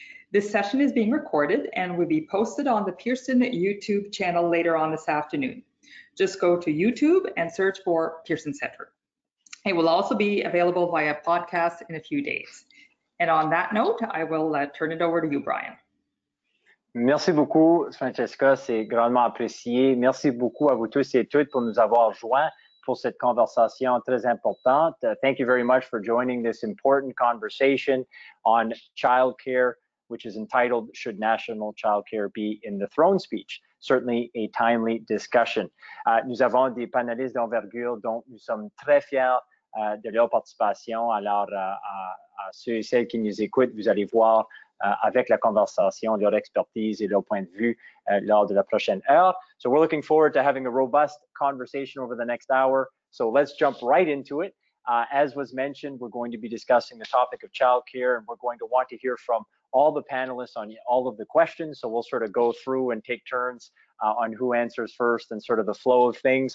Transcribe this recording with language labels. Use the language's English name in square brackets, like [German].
[English] This session is being recorded and will be posted on the Pearson YouTube channel later on this afternoon. Just go to YouTube and search for Pearson Centre. It will also be available via podcast in a few days. And on that note, I will turn it over to you, Brian. [French] Merci beaucoup, Francesca. C'est grandement apprécié. Merci beaucoup à vous tous et toutes pour nous avoir joints pour cette conversation très importante. [English] Thank you very much for joining this important conversation on childcare, which is entitled Should National Childcare Be in the Throne Speech? Certainly a timely discussion. [French] Nous avons des panélistes d'envergure dont nous sommes très fiers de leur participation. Alors, à ceux et celles qui nous écoutent, vous allez voir avec la conversation leur expertise et leur point de vue lors de la prochaine heure. [English] So we're looking forward to having a robust conversation over the next hour. So let's jump right into it. As was mentioned, we're going to be discussing the topic of childcare and we're going to want to hear from all the panelists on all of the questions. So we'll sort of go through and take turns on who answers first and sort of the flow of things.